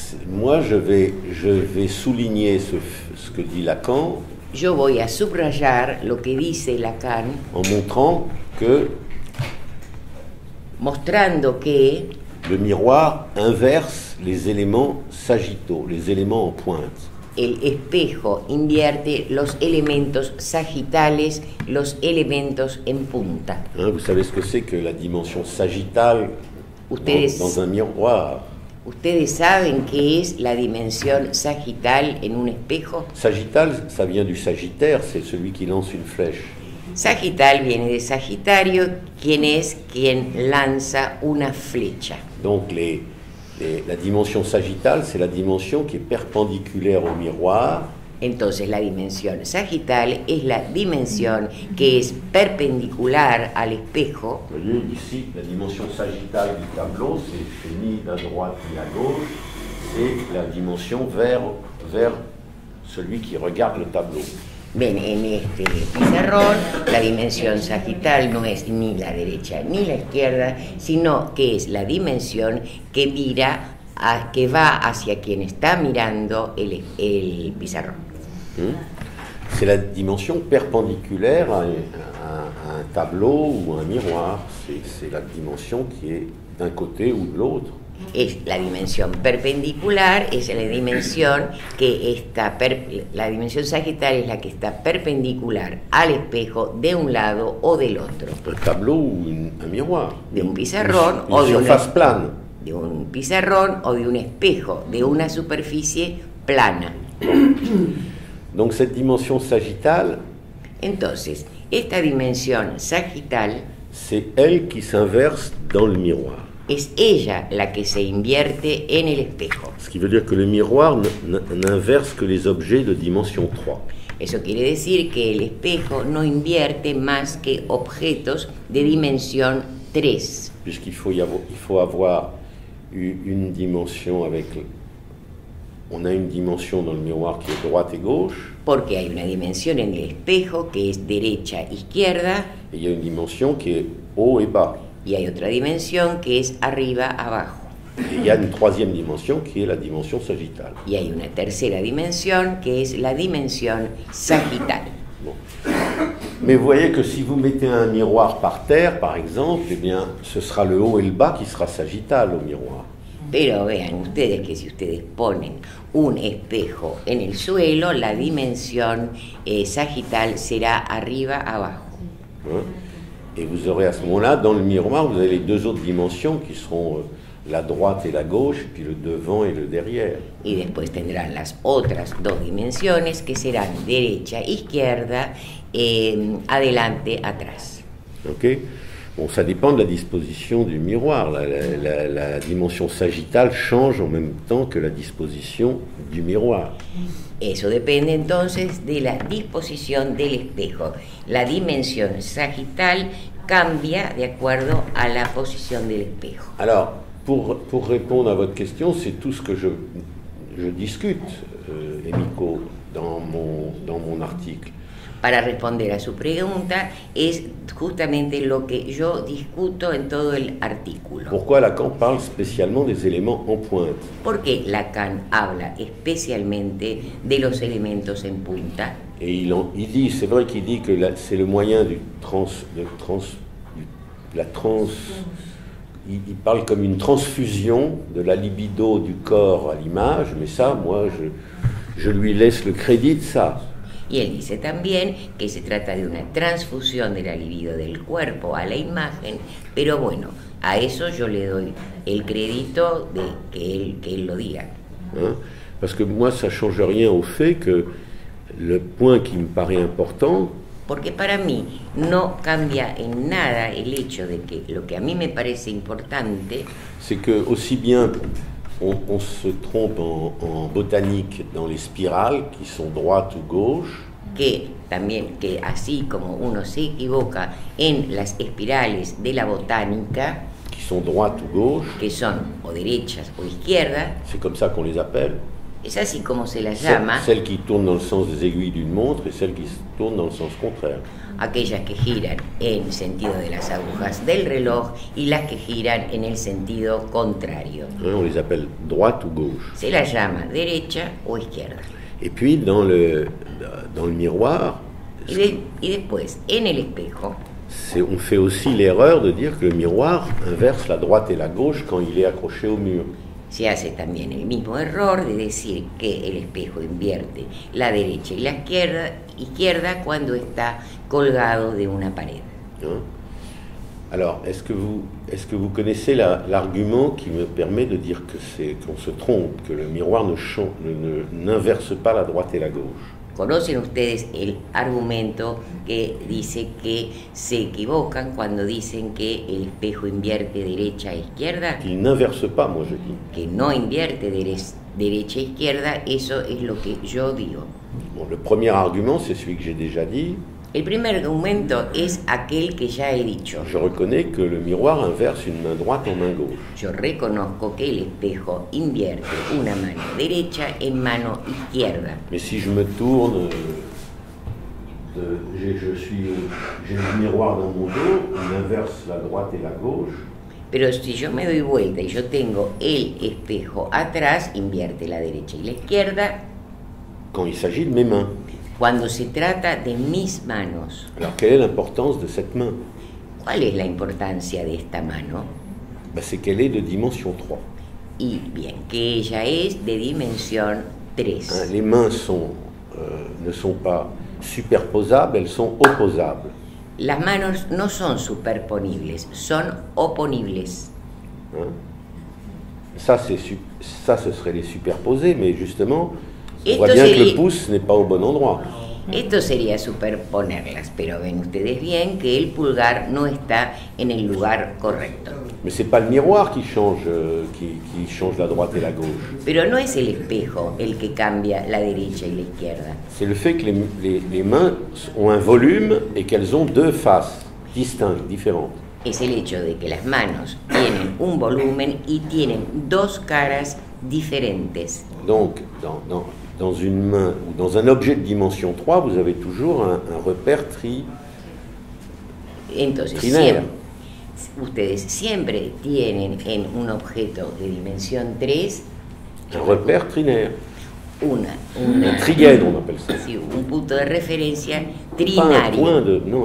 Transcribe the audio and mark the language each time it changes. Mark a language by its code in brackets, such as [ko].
[fr] Moi, je vais souligner ce que dit Lacan. [es] Je voy a subrayar lo que dice Lacan. [fr] En montrant que. [es] Mostrando que. [fr] Le miroir inverse les éléments sagittaux, les éléments en pointe. [es] El espejo invierte los elementos sagitales, los elementos en punta. [fr] Hein, vous savez ce que c'est que la dimension sagittale dans un miroir. [es] ¿Ustedes saben qué es la dimensión sagital en un espejo? [fr] Sagital, ça vient du Sagittaire, c'est celui qui lance une flèche. [es] Sagital viene de Sagitario, quien es quien lanza una flecha. [fr] Donc la dimensión sagital, c'est la dimensión [es] que es perpendicular [fr] au miroir. [es] Entonces la dimensión sagital es la dimensión que es perpendicular al espejo. [fr] Voyez, ici, [es] la dimensión sagital del [fr] tableau, c'est ni de la droite ni de la gauche, c'est la dimensión vers celui qui regarde le tableau. [es] Bien, en este pizarrón, la dimensión sagital no es ni la derecha ni la izquierda, sino que es la dimensión que mira, que va hacia quien está mirando el pizarrón. [fr] C'est la dimension perpendiculaire à un tableau ou à un miroir. C'est la dimension qui est d'un côté ou de l'autre. [es] Es la dimensión perpendicular, es la dimensión que está la dimensión sagital es la que está perpendicular al espejo de un lado o del otro. [fr] Un tableau ou un miroir. [es] De un pizarrón o de [fr] una face plane. [es] De un pizarrón o de un espejo, de una superficie plana. [fr] Donc cette dimension sagittale, [es] entonces esta dimensión sagital, [fr] c'est elle qui s'inverse dans le miroir. [es] Es ella la que se invierte en el espejo. [fr] Ce qui veut dire que le miroir n'inverse que les objets de dimension 3. [es] Eso quiere decir que el espejo no invierte más que objetos de dimensión 3. [fr] Puisqu'il faut avoir une dimension avec on a une dimension dans le miroir qui est droite et gauche. [es] Porque hay una dimensión en el espejo que es derecha izquierda. [fr] Et il y a une dimension qui est haut et bas. [es] Y hay otra dimensión que es arriba abajo. [fr] Et il y a une troisième dimension qui est la dimension sagittale. [es] Y hay una tercera dimensión que es la dimensión sagital. [fr] Bon. Mais voyez que si vous mettez un miroir par terre, par exemple, eh bien, ce sera le haut et le bas qui sera sagittal au miroir. [es] Pero vean ustedes que si ustedes ponen un espejo en el suelo, la dimensión sagital será arriba abajo. [fr] Et vous aurez à ce moment-là, dans le miroir, vous avez les deux autres dimensions qui seront la droite et la gauche, puis le devant et le derrière. [es] Y después tendrán las otras dos dimensiones que serán derecha, izquierda, adelante, atrás. Ok. [fr] Bon, ça dépend de la disposition du miroir. La dimension sagittale change en même temps que la disposition du miroir. [es] Eso depende entonces de la disposición del espejo. La dimensión sagital cambia de acuerdo a la posición del espejo. [fr] Alors, pour répondre à votre question, c'est tout ce que je discute, Emiko, dans mon article. [es] Para responder a su pregunta, es justamente lo que yo discuto en todo el artículo. ¿Por qué [fr] Lacan parle spécialement des éléments en pointe? [es] ¿Por qué Lacan habla especialmente de los elementos en punta? [fr] Et il dit, c'est vrai qu'il dit que la, c'est le moyen du trans, de trans, du, la trans, il parle comme une transfusion de la libido du corps à l'image, mais ça, moi, je lui laisse le crédit de ça. [es] Y él dice también que se trata de una transfusión de la libido del cuerpo a la imagen, pero bueno, a eso yo le doy el crédito de que él lo diga. [fr] Parce que moi ça change rien au fait que le point qui me paraît important, [es] porque para mí no cambia en nada el hecho de que lo que a mí me parece importante, [fr] c'est que aussi bien on se trompe en botanique dans les spirales qui sont droite ou gauche. [es] Que también que así como uno se equivoca en las espirales de la botánica. [fr] Qui sont droite ou gauche. [es] Que son o derechas o izquierda. [fr] C'est comme ça qu'on les appelle. [es] Es así como se las llama. [fr] Celles qui tournent dans le sens des aiguilles d'une montre et celles qui tournent dans le sens contraire. [es] Aquellas que giran en sentido de las agujas del reloj y las que giran en el sentido contrario. [fr] On les appelle droite ou gauche. [es] Se las llama derecha o izquierda. [fr] Et puis dans le miroir. [es] Y después en el espejo. [fr] On fait aussi l'erreur de dire que le miroir inverse la droite et la gauche quand il est accroché au mur. [es] Se hace también el mismo error de decir que el espejo invierte la derecha y la izquierda cuando está colgado de una pared. [fr] Alors, est-ce que vous connaissez l'argument qui me permet de dire que c'est qu'on se trompe, que le miroir n'inverse pas la droite et la gauche? [es] ¿Conocen ustedes el argumento que dice que se equivocan cuando dicen que el espejo invierte derecha e izquierda? [fr] Qu'il n'inverse pas, moi je dis. [es] Que no invierte derecha e izquierda, eso es lo que yo digo. [fr] Bon, le premier argument, c'est celui que j'ai déjà dit. [es] El primer argumento es aquel que ya he dicho. [fr] Je reconnais que le miroir inverse une main droite en main gauche. [es] Yo reconozco que el espejo invierte una mano derecha en mano izquierda. [fr] Mais si je me tourne, j'ai le miroir dans mon dos, il inverse la droite et la gauche. [es] Pero si yo me doy vuelta y yo tengo el espejo atrás, invierte la derecha y la izquierda. [fr] Quand il s'agit de mes mains. [es] Cuando se trata de mis manos. [fr] Alors, quelle est l'importance de cette main? [es] ¿Cuál es la importancia de esta mano? [fr] Ben, c'est qu'elle est de dimension 3. [es] Y bien, que ella es de dimensión 3. [fr] Hein, les mains sont, ne sont pas superposables, elles sont opposables. [es] Las manos no son superponibles, son oponibles. [fr] Hein? Ça, ce serait les superposer, mais justement. On voit bien que le pouce n'est pas au bon endroit. [es] Esto sería superponerlas, pero ven ustedes bien que el pulgar no está en el lugar correcto. [fr] Mais c'est pas le miroir qui change la droite et la gauche. [es] Pero no es el espejo el que cambia la derecha y la izquierda. [fr] C'est le fait que les mains ont un volume et qu'elles ont deux faces distinctes, différentes. [es] Es el hecho de que las manos tienen un volumen y tienen dos caras diferentes. [fr] Donc, dans une main ou dans un objet de dimension 3, vous avez toujours un repère trinaire. [es] Ustedes siempre tienen en un objeto de dimensión 3 [fr] un repère trinaire. Un trigène, on appelle ça. [es] Sí, un punto de referencia trinario.